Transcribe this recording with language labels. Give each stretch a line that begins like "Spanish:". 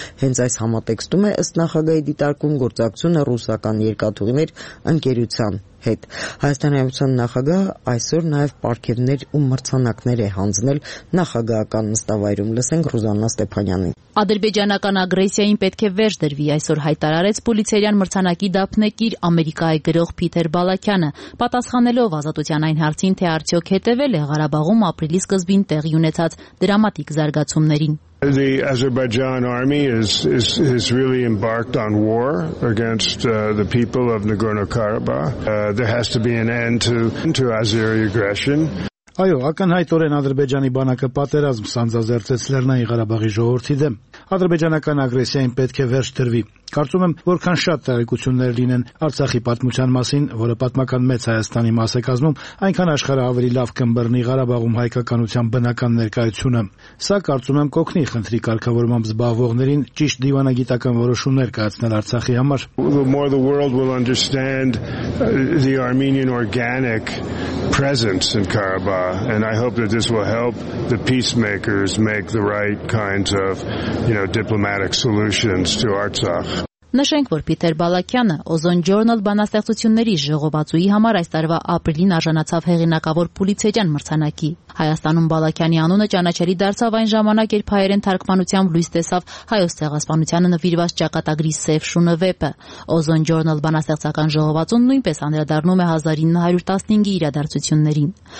Armenian: Հենց այս համատեքստում է ըստ նախագահի դիտարկում գործակցությունը ռուսական երկաթուղիներ ընկերության հետ։ Հայաստանի հայության նախագահ այսօր նաև պարգևներ ու մրցանակներ է հանձնել նախագահական նստավայրում։ Լսենք Ռուզաննա Ստեփանյանին։ Ադրբեջանական ագրեսիային պետք է վերջ դրվի, այսօր հայտարարեց Պուլիցերյան մրցանակի դափնեկիր Ամերիկայի գրող Փիթեր Բալակյանը, պատասխանելով ազատության այն հարցին, թե արդյոք հետևել է Ղարաբաղում ապրիլի սկզբին տեղի ունեցած դրամատիկ զարգացումներին։
English: The Azerbaijan army has really embarked on war against the people of Nagorno-Karabakh. There has to be an end to Azeri aggression.
Armenian: Այո, ակնհայտորեն Ադրբեջանի բանակը պատերազմ սանձազերծեց Լեռնային Ղարաբաղի ժողովրդի դեմ։ Ադրբեջանական ագրեսիային պետք է վերջ դրվի։ Կարծում եմ, որքան շատ տեղեկություններ լինեն Արցախի պատմության մասին, որը պատմական մեծ Հայաստանի մաս է կազմում, այնքան աշխարհը ավելի լավ կմբռնի Ղարաբաղում հայկականության բնական ներկայությունը։ Սա, կարծում եմ, կօգնի խնդրի կարգավորմամբ զբաղվողներին ճիշտ դիվանագիտական որոշումներ կայացնել Արցախի համար։
English: The more the world will understand the Armenian organic presence in Karabakh, and I hope that this will help the peacemakers make the right kinds of, you know, diplomatic solutions to Artsakh.
Armenian: Նշենք, որ Փիթեր Բալակյանը Ozone Journal բանաստեղծությունների ժողովածուի համար այս տարվա ապրիլին արժանացավ հեղինակավոր Պուլիցերյան մրցանակի։ Հայաստանում Բալակյանի անունը ճանաչելի դարձավ այն ժամանակ, երբ հայերեն թարգմանությամբ լույս տեսավ հայոց ցեղասպանությանը նվիրված ճակատագրի «Սև շունը» վեպը։ Ozone Journal բանաստեղծական ժողովածուն նույնպես անդրադառնում է 1915-ի իրադարձություններին։